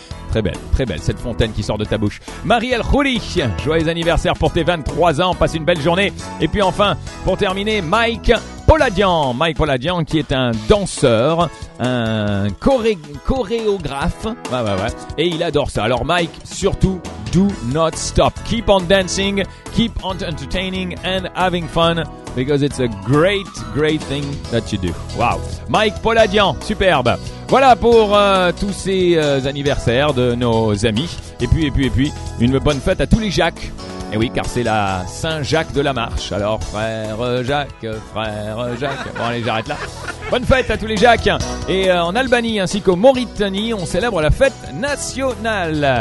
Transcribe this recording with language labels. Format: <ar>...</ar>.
<fr>Très belle, cette fontaine qui sort de ta bouche. Marie El Khoury, joyeux anniversaire pour tes 23 ans, passe une belle journée. Et puis enfin, pour terminer, Mike Poladian, qui est un danseur, un chorégraphe, ouais, et il adore ça. Alors Mike, surtout,</fr> <en>do not stop, keep on dancing, keep on entertaining and having fun, because it's a great, great thing that you do.</en> <fr>Wow, Mike Poladian, superbe. Voilà pour tous ces anniversaires de nos amis. Et puis, une bonne fête à tous les Jacques. Et oui, car c'est la Saint-Jacques de la Marche. Alors, frère Jacques. Bon, allez, j'arrête là. Bonne fête à tous les Jacques. Et en Albanie ainsi qu'au Mauritanie, on célèbre la fête nationale.</fr>